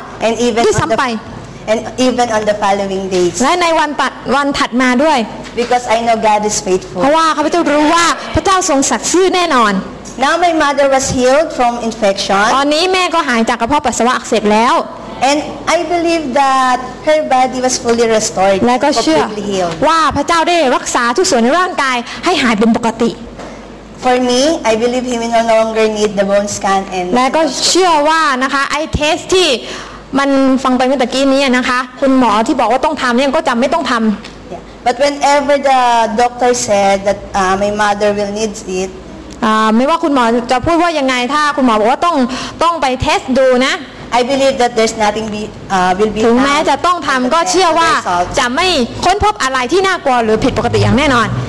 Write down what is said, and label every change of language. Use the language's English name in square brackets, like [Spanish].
[English] And even [Thai] ที่ซ้ำไป [English] And even on the following days. [Thai] และในวันถัดมาด้วย [English] Because I know God is faithful. [Thai] เพราะว่าข้าพเจ้ารู้ว่าพระเจ้าทรงสัตย์ซื่อแน่นอน [English] Now my mother was healed from infection. [Thai] ตอนนี้แม่ก็หายจากกระเพาะปัสสาวะอักเสบแล้ว [English] And I believe that her body was fully restored. [Thai] และก็เชื่ อว่าพระเจ้าได้รักษาทุกส่วนในร่างกายให้หายเป็นปกติ [English] For me, I believe He will no longer need the bone scan and. [Thai] และก็เชื่อว่านะคะไอ้เทสที่มันฟังไปเมื่อกี้นี้นะคะคุณหมอที่บอกว่าต้องทำเนี่ยก็จะไม่ต้องทำ [English] But whenever the doctor said that my mother will need it. [Thai] ไม่ว่าคุณหมอจะพูดว่ายังไงถ้าคุณหมอบอกว่าต้องไปเทสดูนะ [English] I believe that there's nothing will be [Thai] ถึงแม้จะต้องทำก็เชื่อว่าจะไม่ค้นพบอะไรที่น่ากลัวหรือผิดปกติอย่างแน่นอน